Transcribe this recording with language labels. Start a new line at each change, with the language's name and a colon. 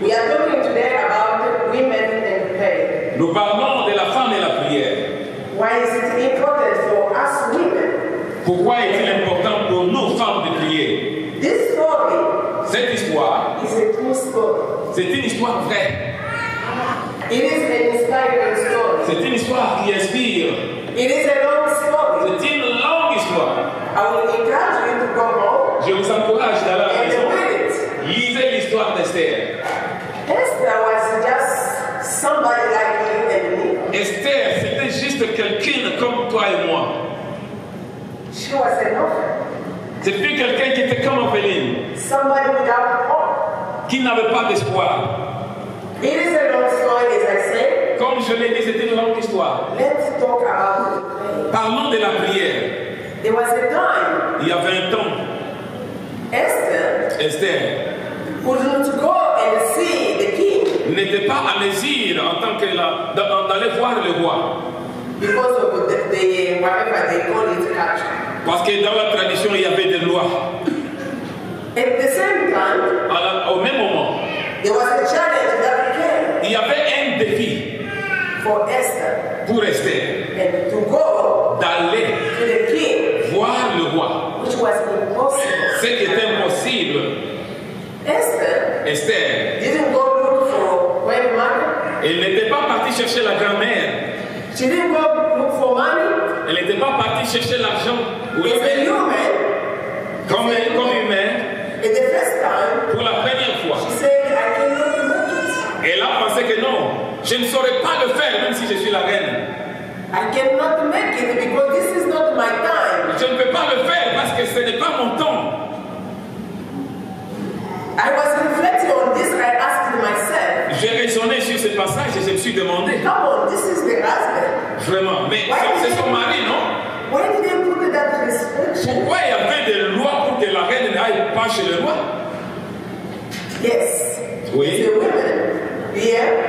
English: We are talking today about women and prayer.
French: Nous parlons de la femme et la prière.
English: Why is it important for us women?
French: Pourquoi est-il important pour nous femmes de prier?
English: This story.
French: Cette histoire
English: is a true story.
French: C'est une histoire vraie.
English: It is an inspiring story.
French: C'est une histoire qui inspire.
English: It is a long story.
French: C'est une longue histoire.
English: I will encourage you to go home.
French: Je vous encourage d'aller à la maison.
English: And read it.
French: Lisez l'histoire d'Esther.
English: Esther was just somebody like you and me.
French: Esther, c'était juste quelqu'un comme toi et moi.
English: She was an orphan.
French: C'est plus quelqu'un qui était comme Orpheline.
English: Somebody without hope.
French: Qui n'avait pas d'espoir.
English: It is a long story, as I say.
French: Comme je l'ai dit, c'est une longue histoire.
English: Let's talk about the prayer.
French: Parlons de la prière.
English: There was a time.
French: Il y avait un temps.
English: Esther. Couldn't go and see the king.
French: N'était pas à l'aisir en tant que d'aller voir le roi.
English: Because of the whatever they call it, culture.
French: Parce que dans la tradition, il y avait des lois.
English: At the same time,
French: au même moment,
English: there was a challenge that came.
French: Il y avait un défi
English: for Esther,
French: pour Esther,
English: and to go
French: d'aller
English: to the king,
French: voir le roi,
English: which was impossible.
French: Ce qui était impossible.
English: Esther didn't go look for grandmother.
French: Elle n'était pas partie chercher la grand-mère.
English: She didn't go look for money.
French: Elle n'était pas partie chercher l'argent. Oui, mais humain, comme humain,
English: et the first time,
French: pour la première fois,
English: she said, I cannot do it.
French: Elle a pensé que non, je ne saurais pas le faire même si je suis la reine.
English: I cannot make it because this is not my time.
French: Je ne peux pas le faire parce que ce n'est pas mon temps.
English: I was reflecting on this, I asked myself.
French: J'ai raisonné sur ce passage et je me suis demandé.
English: Come on, this is the husband.
French: Vraiment, mais ça, c'est son mari, non?
English: Why did they put that restriction?
French: Pourquoi il y avait des lois pour que la reine travaille pas chez le roi.
English: Yes.
French: Oui.
English: The women. Yeah.